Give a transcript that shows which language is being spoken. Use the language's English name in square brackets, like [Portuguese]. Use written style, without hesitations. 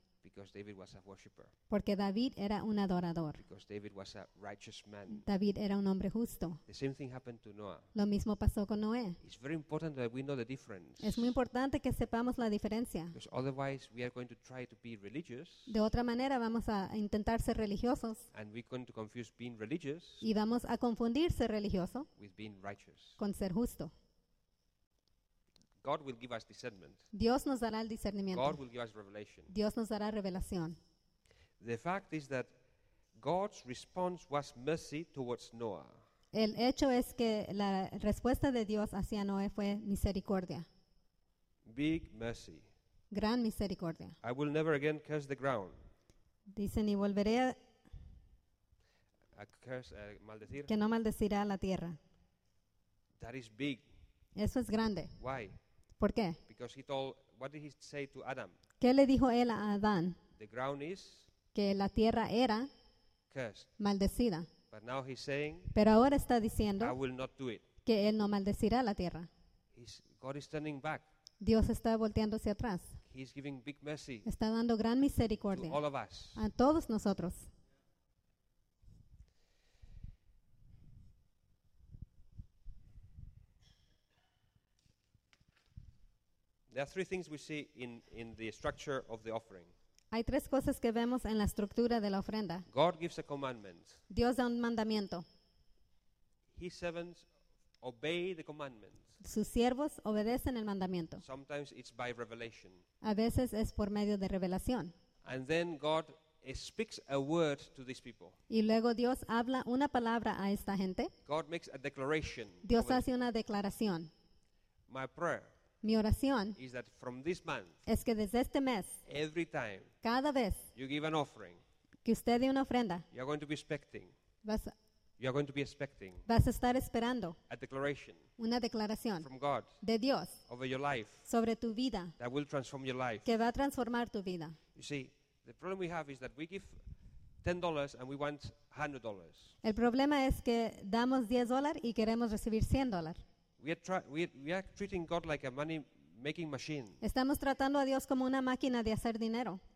[English] Because David was a worshipper. [Spanish] Porque David era un adorador. [English] Because David was a righteous man. [Spanish] David era un hombre justo. [English] The same thing happened to Noah. [Spanish] Lo mismo pasó con Noé. [English] It's very important that we know the difference. [Spanish] Es muy importante que sepamos la diferencia. [English] Because otherwise we are going to try to be religious. [Spanish] De otra manera vamos a intentar ser religiosos. [English] And we're going to confuse being religious. [Spanish] Y vamos a confundir ser religioso. [English] With being righteous. [Spanish] Con ser justo. [English] God will give us discernment. [Spanish] Dios nos dará el discernimiento. [English] God will give us revelation. [Spanish] Dios nos dará revelación. [English] The fact is that God's response was mercy towards Noah. [Spanish] El hecho es que la respuesta de Dios hacia Noé fue misericordia. [English] Big mercy. [Spanish] Gran misericordia. [English] I will never again curse the ground. [Spanish] Dice, ni volveré [English] a curse, maldecir. [Spanish] Que no maldecirá la tierra. [English] That is big. [Spanish] Eso es grande. [English] Why? [Spanish] ¿Por qué? [English] Because he told, what did he say to Adam? [Spanish] ¿Qué le dijo él a Adán? [English] The ground is [Spanish] que la tierra era [English] cursed. [Spanish] Maldecida. [English] But now he's saying, [Spanish] pero ahora está diciendo [English] I will not do it. [Spanish] Que él no maldecirá la tierra. [English] God is turning back. [Spanish] Dios está volteando hacia atrás. [English] He's giving big mercy. [Spanish] Está dando gran misericordia [English] to all of us. [Spanish] A todos nosotros. [English] There are three things we see in the structure of the offering. [Spanish] Hay tres cosas que vemos en la estructura de la ofrenda. [English] God gives a commandment. [Spanish] Dios da un mandamiento. [English] His servants obey the commandment. [Spanish] Sus siervos obedecen el mandamiento. [English] Sometimes it's by revelation. [Spanish] A veces es por medio de revelación. [English] And then God speaks a word to these people. [Spanish] Y luego Dios habla una palabra a esta gente. [English] God makes a declaration. [Spanish] Dios hace una declaración. [English] My prayer. [Spanish] Mi oración [English] is that from this month, [Spanish] es que desde este mes, [English] every time, [Spanish] cada vez [English] you give an offering, [Spanish] Que usted dé una ofrenda. [English] You are going to be expecting. You are going to be expecting. [Spanish] Vas a estar esperando. [English] A declaration. [Spanish] Una declaración. [English] From God. [Spanish] De Dios. [English] Over your life. [Spanish] Sobre tu vida. [English] That will transform your life. [Spanish] Que va a transformar tu vida. [English] You see, the problem we have is that we give $10 and we want $100. [Spanish] El problema es que damos $10 y queremos recibir $100. [English] We are treating God like a money making machine. [Spanish] Estamos tratando a Dios como una máquina de hacer dinero.